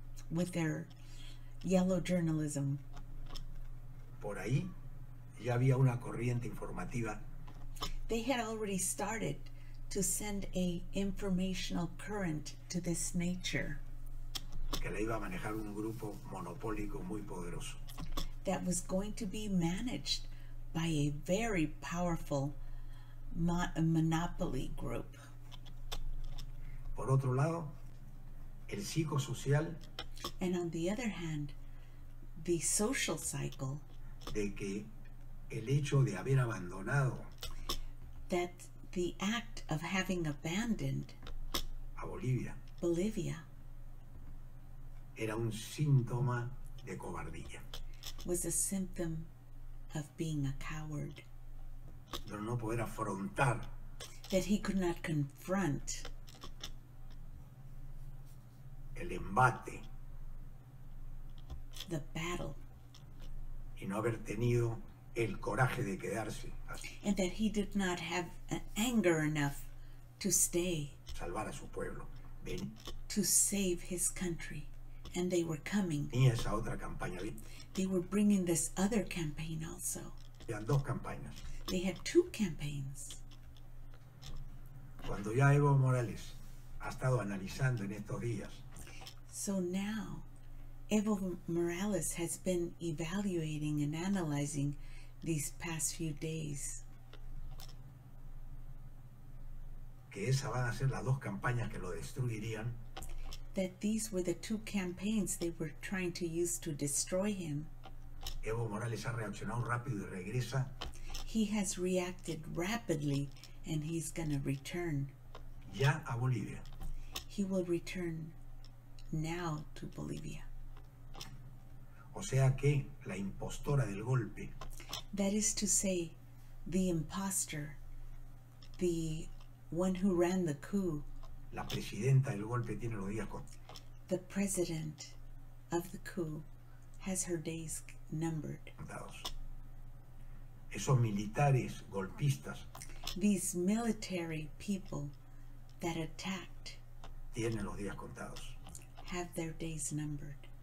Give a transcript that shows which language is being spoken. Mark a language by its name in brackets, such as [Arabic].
[English] With their yellow journalism. [Spanish] Por ahí ya había una corriente informativa. [English] They had already started to send a informational current to this nature. [Spanish] Que la iba a manejar un grupo monopólico muy poderoso. [English] That was going to be managed by a very powerful monopoly group. [Spanish] Por otro lado, el psicosocial. [English] And on the other hand, the social cycle. [Spanish] De que el hecho de haber abandonado. [English] That the act of having abandoned. [Spanish] A Bolivia. [English] Bolivia. [Spanish] Era un síntoma de cobardía. [English] Was a symptom of being a coward. [Spanish] De no poder afrontar. [English] That he could not confront. [Spanish] El embate. [English] The battle. [Spanish] Y no haber tenido el coraje de quedarse. [English] And that he did not have anger enough to stay. [Spanish] Salvar a su pueblo. Ven. [English] To save his country. And they were coming. [Spanish] Y esa otra campaña. [English] They were bringing this other campaign also. [Spanish] Eran dos campañas. [English] They had two campaigns. [Spanish] Cuando ya Evo Morales ha estado analizando en estos días. [English] So now, Evo Morales has been evaluating and analyzing these past few days. [Spanish] Que esas van a ser las dos campañas que lo destruirían. [English] That these were the two campaigns they were trying to use to destroy him. [Spanish] Evo Morales ha reaccionado rápido y regresa. [English] He has reacted rapidly and he's going to return. [Spanish] Ya a Bolivia. [English] He will return now to Bolivia. [Spanish] O sea que la impostora del golpe. [English] That is to say, the imposter, the one who ran the coup. [Spanish] La presidenta del golpe tiene los días contados. [English] The president of the coup has her days numbered. [Spanish] Esos militares golpistas, [English] these military people that attacked, [Spanish] tienen los días contados. [English] Have their days numbered.